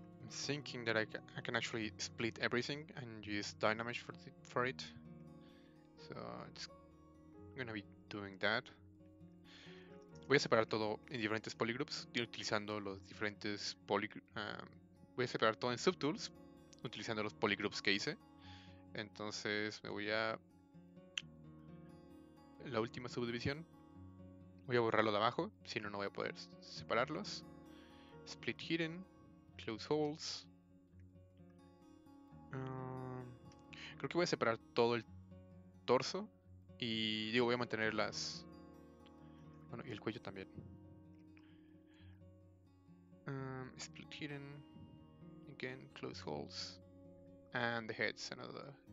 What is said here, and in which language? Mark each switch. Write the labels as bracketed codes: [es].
[en] Thinking that I can actually split everything and use Dynamesh for it, so it's gonna be doing that. [es] Voy a separar todo en diferentes polygroups utilizando los diferentes voy a separar todo en subtools utilizando los polygroups que hice. Entonces me voy a la última subdivisión, voy a borrarlo de abajo, si no no voy a poder separarlos. [en] Split hidden, close holes. [es] Creo que voy a separar todo el torso y digo, voy a mantener las, bueno, y el cuello también. [en] Split hidden, again, close holes, and the heads, another